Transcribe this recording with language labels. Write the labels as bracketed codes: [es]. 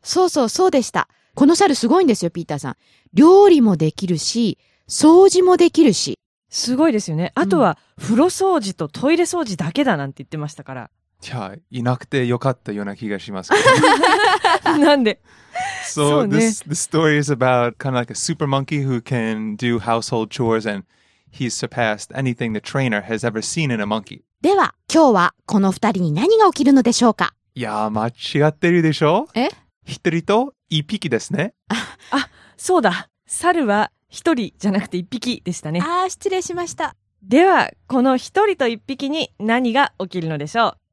[ja] あ、そうそうそうでした。この猿すごいんですよ、ピーターさん。料理もできるし、掃除もできるし、すごいですよね。あとは風呂掃除とトイレ掃除だけだなんて言ってましたから。いや、いなくてよかったような気がしますけど。なんで？ So, そうね。 [en] The story is about kind of like a super monkey who can do household chores and he's surpassed anything the trainer has ever seen in a monkey. [ja] では、今日はこの二人に何が起きるのでしょうか？いや、間違ってるでしょ？え？一人と一匹ですね。あ、そうだ。猿は一人じゃなくて一匹でしたね。ああ、失礼しました。では、この一人と一匹に何が起きるのでしょう？